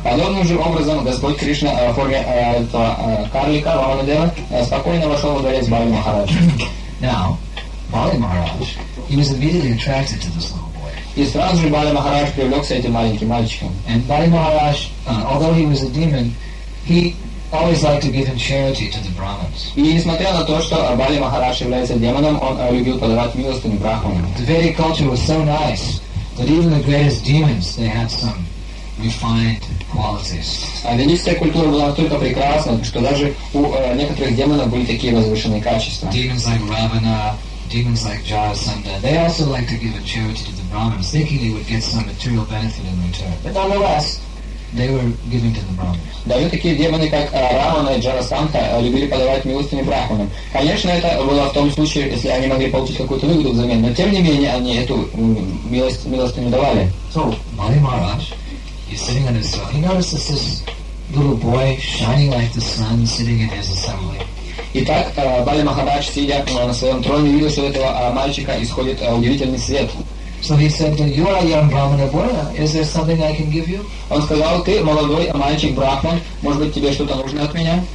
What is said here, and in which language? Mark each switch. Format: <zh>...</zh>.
<ru>Подобным же образом Господь Кришна в форме этого карлика Vamanadeva спокойно вошел во дворец Бали Махарадж.</ru> <en>Now, Бали Махарадж, he was immediately attracted to this Lord.</en> <ru>И сразу же Бали Махарадж привлекся этим маленьким мальчиком.</ru> <en>And Бали Махарадж, although he was a demon, he always liked to give him charity to the Brahmins.</en> <ru>И несмотря на то, что Бали Махарадж является демоном, он любил подавать милостыню брахманам.</ru> <en>The Vedic culture was so nice that even the greatest demons, they had some refined qualities.</en> <ru>А ведическая культура была настолько прекрасна, что даже у некоторых демонов были такие возвышенные качества.</ru> <en>Demons like Ravana, demons like Jarasandha, they also like to give a charity to the Brahmins, thinking they would get some material benefit in return. But nonetheless, they were giving to the Brahmins.</en> <ru>Даже такие демоны, как Равана и Джарасандха, любили подавать милостыню брахманам. Конечно, это было в том случае, если они могли получить какую-то выгоду взамен, но тем не менее они эту милостыню давали.</ru> <en>So, Бали Махарадж, he's sitting on his throne. He notices this little boy shining like the sun, sitting in his assembly.</en> <ru>Итак, Бали Махарадж, сидя на своем троне, видел, что у этого мальчика исходит удивительный свет.</ru> <en>So he said, you are a young Brahmana boy, is there something I can give you?</en> <ru>Он сказал, ты молодой мальчик брахман, может быть тебе что-то нужно от меня?</ru>